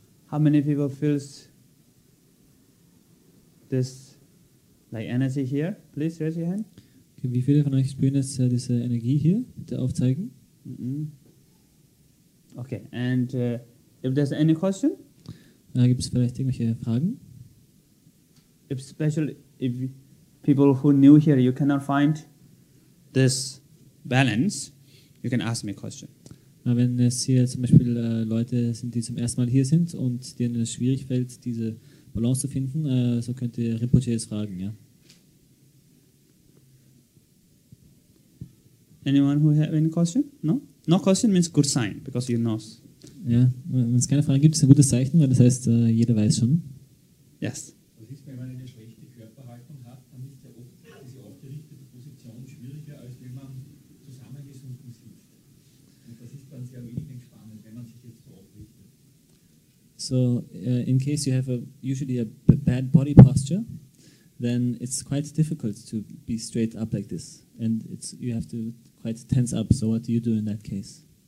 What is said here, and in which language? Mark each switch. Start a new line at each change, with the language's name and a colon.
English: How many people feels this like energy here? Please raise your hand.
German: Okay, wie viele von euch spüren jetzt diese Energie hier? Bitte aufzeigen.
English: Mm-hmm. Okay, and if there's any question?
German: Gibt es vielleicht irgendwelche Fragen?
English: Especially if people who new here, you cannot find this balance, you can ask me a question.
German: Wenn es hier zum Beispiel Leute sind, die zum ersten Mal hier sind und denen es schwierig fällt, diese Balance zu finden, so könnt ihr Rinpoche jetzt fragen, ja.
English: Anyone who have any question? No? No question means good sign, because you know.
German: Ja, wenn es keine Frage gibt, ist ein gutes Zeichen, weil das heißt, jeder weiß schon.
English: Yes.
German: Was ist, wenn man eine schlechte Körperhaltung hat, dann ist ja oft diese aufgerichtete Position schwieriger, als wenn man zusammengesunken sitzt. Und das ist dann sehr wenig entspannend, wenn man sich jetzt so aufrichtet.
English: So, in case you have usually a bad body posture, then it's quite difficult to be straight up like this. And it's you have to quite tense up. So what do you do in that case?